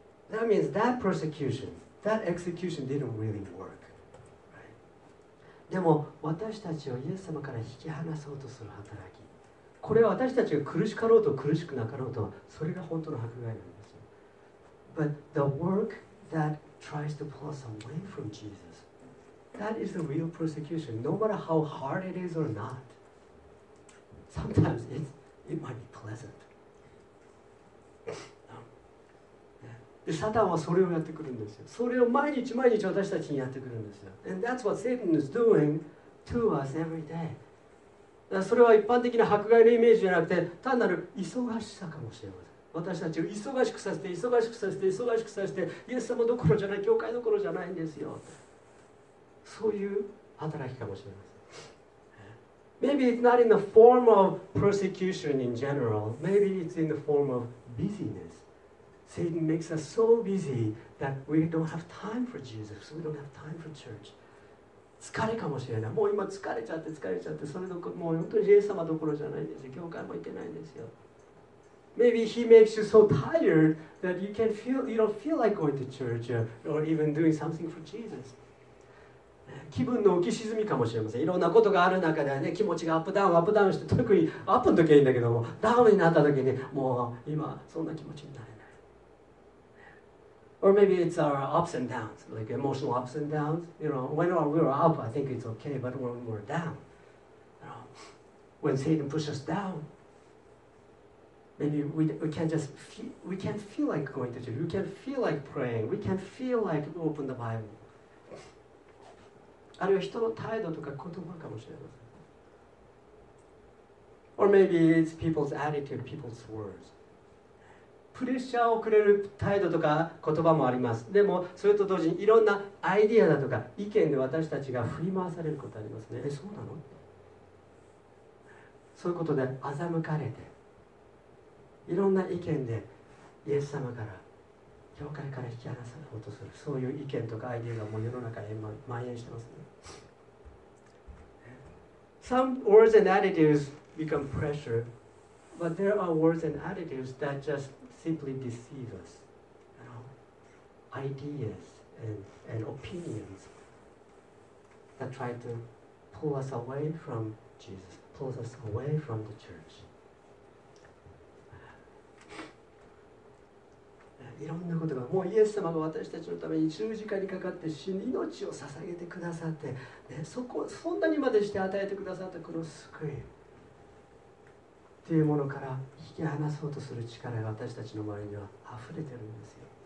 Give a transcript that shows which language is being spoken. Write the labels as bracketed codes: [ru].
[en] That means that persecution, that execution didn't really work. [ja] でも私たちをイエス様から引き離そうとする働き、これは私たちが苦しかろうと苦しくなかろうと、それが本当の迫害なんですよ。 [en] But the work that tries to pull us away from Jesus, that is the real persecution, no matter how hard it is or not. Sometimes it might be pleasant. [ja] でサタンはそれをやってくるんですよ。それを毎日毎日私たちにやってくるんですよ。 [en] And that's what Satan is doing to us every day. [ja] だそれは一般的な迫害のイメージじゃなくて、単なる忙しさかもしれません。私たちを忙しくさせて、忙しくさせて、忙しくさせて、イエス様どころじゃない、教会どころじゃないんですよ。そういう働きかもしれません。 [en] Maybe it's not in the form of persecution in general. Maybe it's in the form of busyness. Satan makes us so busy that we don't have time for Jesus, we don't have time for church. [ja] 疲れかもしれない。もう今疲れちゃって疲れちゃって、それどころ、もう本当にイエス様どころじゃないんですよ。教会も行けないんですよ。 [en] Maybe he makes you so tired that you don't feel like going to church or even doing something for Jesus. [ja] 気分の浮き沈みかもしれません。いろんなことがある中ではね、気持ちがアップダウン、アップダウンして、特にアップの時はいいんだけども、ダウンになった時に、もう今そんな気持ちになれない。 [en] Or maybe it's our ups and downs, like emotional ups and downs. You know, when we're up, I think it's okay, but when we're down, you know, when Satan pushes us down, Maybe we can't feel like going to church. We can't feel like praying. We can't feel like open the Bible. [ja] あるいは人の態度とか言葉かもしれません。 [en] Or maybe it's people's attitude, people's words. [ja] プレッシャーをくれる態度とか言葉もあります。でもそれと同時にいろんなアイディアだとか意見で私たちが振り回されることありますね。え、そうなの？そういうことで欺かれて、いろんな意見でイエス様から教会から引き離されようとする、そういう意見とかアイディアがもう世の中に蔓延してますね。 [en] Some words and attitudes become pressure, but there are words and attitudes that just simply deceive us. You know, ideas and opinions that try to pull us away from Jesus, pull us away from the church. [ja] いろんなことが、もうイエス様が私たちのために十字架にかかって死に命を捧げてくださって、ね、そんなにまでして与えてくださったこの救いというものから引き離そうとする力が私たちの周りには溢れてるんですよ。